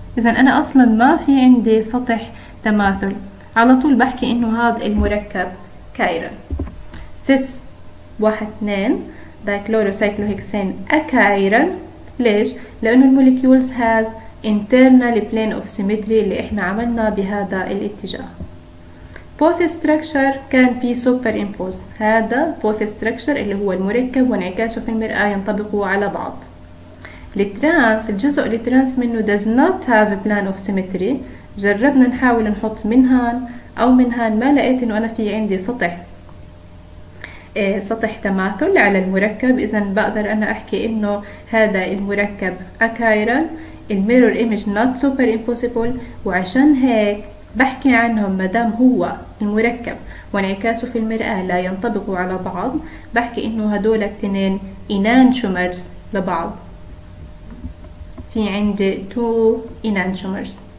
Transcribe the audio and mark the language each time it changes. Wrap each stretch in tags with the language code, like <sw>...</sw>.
<ar>اذا انا اصلا ما في عندي سطح تماثل، على طول بحكي انه هذا المركب كايرال. سيس 1-2 دايكلورو سايكلوهيكسين اكايرال. ليش؟ لأنه الموليكيولز</ar> <en>has internal plane of symmetry</en> <ar>اللي احنا عملنا بهذا الاتجاه.</ar> <en>Both structure can be superimposed.</en> <ar>هذا</ar> <en>both structure</en> <ar>اللي هو المركب وانعكاسه في المرآة ينطبقوا على بعض. الترانس الجزء اللي ترانس منه</ar> <en>does not have a plane of symmetry.</en> <ar>جربنا نحاول نحط من هان او من هان، ما لقيت انه انا في عندي سطح تماثل على المركب. اذا بقدر انا احكي انه هذا المركب اكايرال،</ar> <en>الميرور image not super impossible,</en> <ar>وعشان هيك بحكي عنهم مدام هو المركب وانعكاسه في المرآة لا ينطبقوا على بعض، بحكي انه هدول التنين enantiomers لبعض، في عندي</ar> <en>two enantiomers.</en>